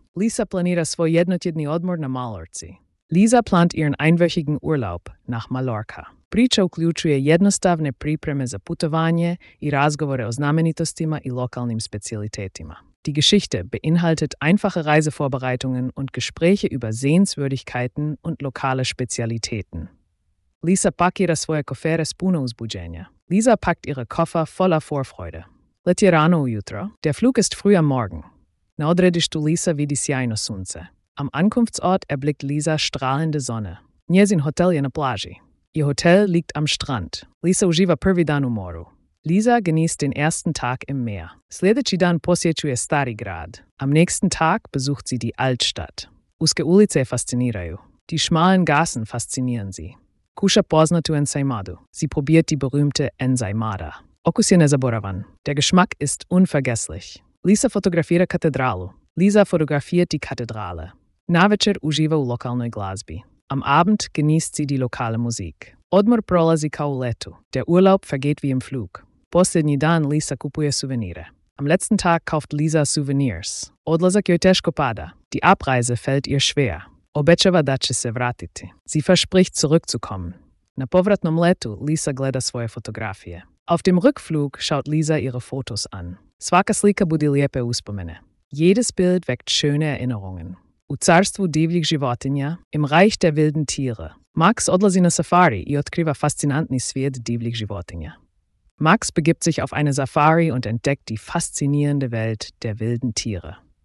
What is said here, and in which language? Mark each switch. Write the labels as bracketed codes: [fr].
[hr] Lisa planira svoj jednotjedni odmor na Mallorca. [de] Lisa plant ihren einwöchigen Urlaub nach Mallorca. [hr] Priča uključuje jednostavne pripreme za putovanje i razgovore o znamenitostima i lokalnim specialitetima. [de] Die Geschichte beinhaltet einfache Reisevorbereitungen und Gespräche über Sehenswürdigkeiten und lokale Spezialitäten. [hr] Lisa packt svoje kofere s puno uzbuđenja. [de] Lisa packt ihre Koffer voller Vorfreude. [hr] Letje rano ujutro. [de] Der Flug ist früh am Morgen. [hr] Na odrediš tu Lisa vidi sjajno sunce. [de] Am Ankunftsort erblickt Lisa strahlende Sonne. [hr] Njezin hotel je na plaži. [de] Ihr Hotel liegt am Strand. [hr] Lisa uživa prvi dan u moru. [de] Lisa genießt den ersten Tag im Meer. [hr] Sljedeći dan posjećuje Stari Grad. [de] Am nächsten Tag besucht sie die Altstadt. [hr] Uske ulice fasciniraju. [de] Die schmalen Gassen faszinieren sie. [hr] Kuša poznatu ensaimadu. [de] Sie probiert die berühmte ensaimada. [hr] Okus je nezaboravan. [de] Der Geschmack ist unvergesslich. [hr] Lisa fotografira katedralu. [de] Lisa fotografiert die Kathedrale. [hr] Navečer uživa u lokalnoj glazbi. [de] Am Abend genießt sie die lokale Musik. [hr] Odmor prolazi kao u letu. [de] Der Urlaub vergeht wie im Flug. [hr] Posljednji dan Lisa kupuje suvenire. [de] Am letzten Tag kauft Lisa Souvenirs. [hr] Odlazak joj teško pada. [de] Die Abreise fällt ihr schwer. [hr] Obećava da će se vratiti. [de] Sie verspricht zurückzukommen. [hr] Na povratnom letu Lisa gleda svoje fotografije. [de] Auf dem Rückflug schaut Lisa ihre Fotos an. [hr] Svaka slika budi lijepe uspomene. [de] Jedes Bild weckt schöne Erinnerungen. [hr] U carstvu divljih životinja, [de] im Reich der wilden Tiere. [hr] Max odlazi na safari i otkriva fascinantni svijet divljih životinja. [de] Max begibt sich auf eine Safari und entdeckt die faszinierende Welt der wilden Tiere.